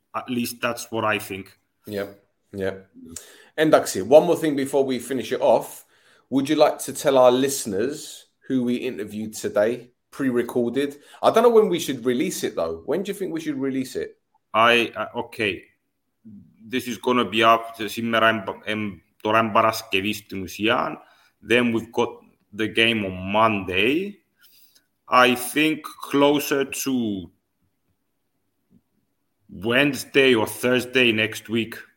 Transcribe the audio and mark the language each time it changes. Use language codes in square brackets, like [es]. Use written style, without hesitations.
[en] At least that's what I think. Yeah. And Duxie, one more thing before we finish it off. Would you like to tell our listeners who we interviewed today, pre-recorded. I don't know when we should release it, though. When do you think we should release it? Okay. This is going to be up. [el] Σήμερα είναι Παρασκευή στην ουσία. [en] Then we've got the game on Monday. I think closer to Wednesday or Thursday next week.